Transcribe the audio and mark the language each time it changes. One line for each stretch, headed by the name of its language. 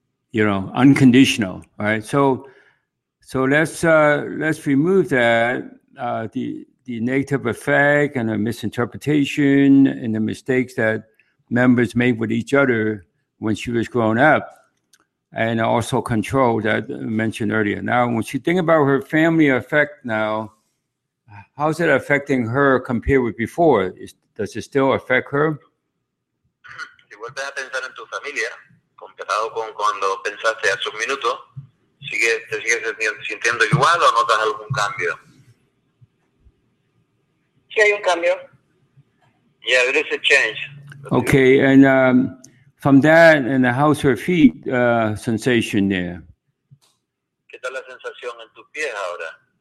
English: you know, unconditional, right? So let's remove that the negative effect and the misinterpretation and the mistakes that members made with each other when she was growing up, and also control that I mentioned earlier. Now, when she think about her family effect now, how's it affecting her compared with before? Does it still affect her?
Spanish: Si vuelves a pensar en tu familia. Comparado con cuando pensaste hace un minuto, ¿te sigues sintiendo igual o notas algún cambio? Sí, hay un cambio.
English: Yeah, there is a change. Okay, and from that, and how's her feet sensation there?
Spanish: ¿Qué tal la sensación en tus pies ahora?